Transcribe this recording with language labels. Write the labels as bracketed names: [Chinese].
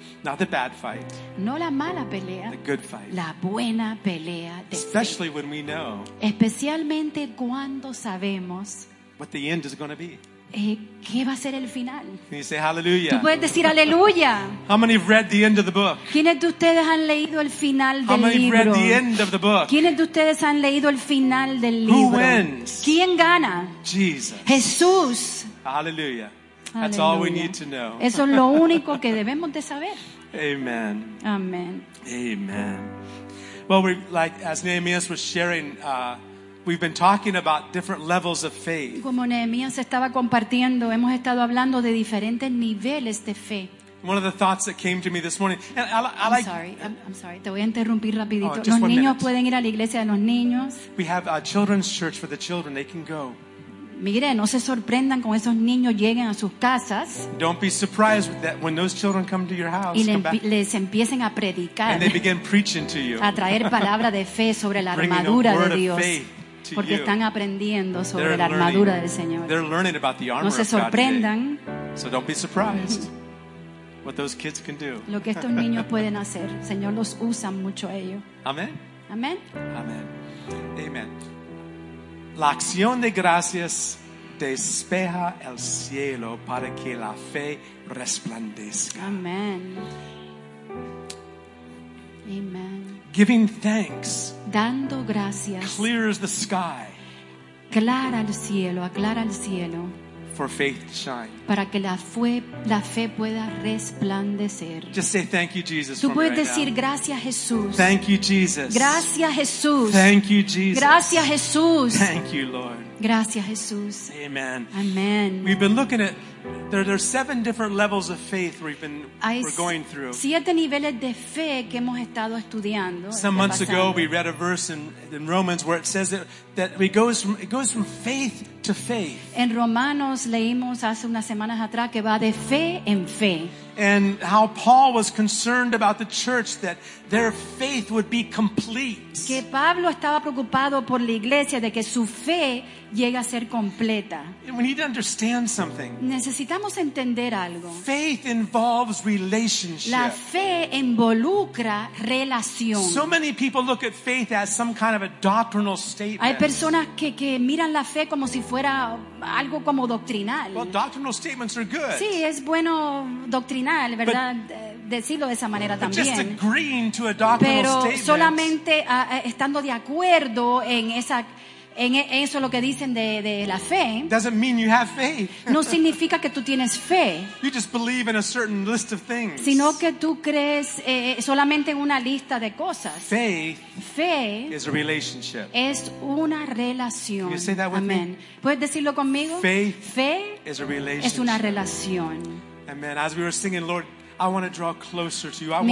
[English] Not the bad fight. [Spanish] No la mala pelea. [English] The good fight. [Spanish] La buena pelea de [English] especially [Spanish] fe. [English] When we know. [Spanish] Especialmente cuando sabemos. [English] What the end is going to be. [Spanish] ¿Qué va a ser el final? [English] Can you say hallelujah? [Spanish] ¿Tú puedes decir aleluya? [English] How many have read the end of the book? [Spanish] ¿Quiénes de ustedes han leído el final del libro? [English] How many have read the end of the book? [Spanish] ¿Quiénes de ustedes han leído el final del libro? [English] Who wins? [Spanish] ¿Quién gana? [English] Jesus. [Spanish] Jesús. [English] Hallelujah. That's all we need to know. [Spanish] Eso es lo único que debemos de saber. [English] Amen. Amen. Amen. Well, we like as Nehemiah was sharing, we've been talking about different levels of faith. [Spanish] Como Nehemías estaba compartiendo, hemos estado hablando de diferentes niveles de fe. [English] One of the thoughts that came to me this morning, and I like. I'm sorry. [Spanish] Te voy a interrumpir rapidito. Los niños pueden ir a la iglesia de los niños. [English] We have a children's church for the children. They can go. [Spanish] Mire, no se sorprendan cuando esos niños lleguen a sus casas. [English] Don't be surprised that when those children come to your house [Spanish] y les empiecen a predicar. [English] And they begin preaching to you. [Spanish] A traer palabra de fe sobre la armadura [English] a word [Spanish] de Dios. [English] Of faith. [Spanish] Porque [English] you. [Spanish] Están aprendiendo sobre [English] they're [Spanish] la [English] learning, [Spanish] armadura del Señor. [English] They're learning about the armor [Spanish] no se sorprendan. [English] Of God today. So don't be surprised what those kids can do. [Spanish] Lo que estos niños pueden hacer, Señor los usa mucho ellos. Amén. Amén. Amén. Amén. La acción de gracias despeja el cielo para que la fe resplandezca. Amén. Amén. [English] Giving thanks. [Spanish] Dando gracias. [English] Clears the sky. [Spanish] Clara el cielo, aclara el cielo. [English] For faith to shine. [Spanish] Para que la fe pueda resplandecer. [English] Just say thank you Jesus. [Spanish] Tú puedes [English] right [Spanish] decir [English] now. [Spanish] Gracias Jesús. [English] Thank you Jesus. [Spanish] Gracias Jesús. [English] Thank you Jesus. [Spanish] Gracias Jesús. [English] Thank you Lord. [Spanish] Gracias Jesús. [English] Amen. Amen. We've been looking at there are seven different levels of faith we're going through. [Spanish] Siete niveles de fe que hemos estado estudiando. [English] Some months ago we read a verse in Romans where it says that that we goes from, it goes from faith to faith. [Spanish] En Romanos leímos hace unas semanas atrás que va de fe en fe. [English] And how Paul was concerned about the church that their faith would be complete. [Spanish] Que Pablo estaba preocupado por la iglesia de que su fe llegue a ser completa. [English] We need to understand something. [Spanish] Necesitamos entender algo. [English] Faith involves relationship. [Spanish] La fe involucra relación. [English] So many people look at faith as some kind of a doctrinal statement. [Spanish] Hay personas que miran la fe como si fuera algo como doctrinal. [English] Well, doctrinal statements are good. [Spanish] Sí, es bueno doctrinal, ¿verdad? Decirlo de esa manera también. [English] Just agreeing to a doctrinal [Spanish] pero [English] statement. [Spanish] Solamente estando de acuerdo en esa en eso es lo que dicen de la fe. [English] Doesn't mean you have faith. [Spanish] No significa que tú tienes fe. [English] You just believe in a certain list of things. [Spanish] Sino que tú crees solamente en una lista de cosas. [English] Faith [Spanish] fe [English] is a relationship. [Spanish] Es una relación. [English] Can you say that with amen. Me? [Spanish] ¿Puedes decirlo conmigo? [English] Faith [Spanish] fe [English] is a relationship. [Spanish] Es una relación. [English] Amen. As we were singing, Lord, I want to draw closer to you. I